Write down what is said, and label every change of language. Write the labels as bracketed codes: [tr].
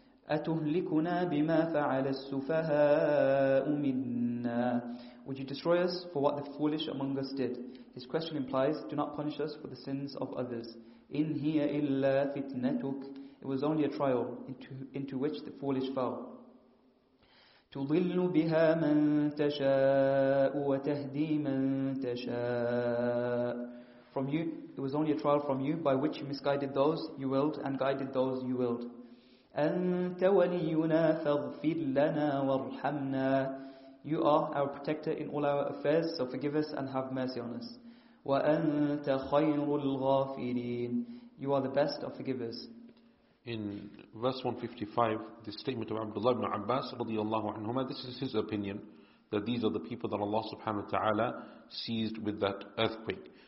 [ar] أَتُهْلِكُنَا بِمَا فَعَلَ السُّفَهَاءُ مِنَّا. [en] Would you destroy us for what the foolish among us did? His question implies, do not punish us for the sins of others. [ar] إِنْ هِيَ إِلَّا فِتْنَتُكَ. [en] It was only a trial into which the foolish fell. [ar] تضل بها من تشاء وتهدي من تشاء. [en] From you, it was only a trial from you by which you misguided those you willed and guided those you willed. [ar] أنت ولينا فاغفر لنا وارحمنا. [en] You are our protector in all our affairs, so forgive us and have mercy on us. [ar] وأنت خير الغافرين. [en] You are the best of forgivers. In verse 155, the statement of Abdullah ibn Abbas radiyallahu anhuma, this is his opinion, that these are the people that Allah subhanahu wa ta'ala seized with that earthquake.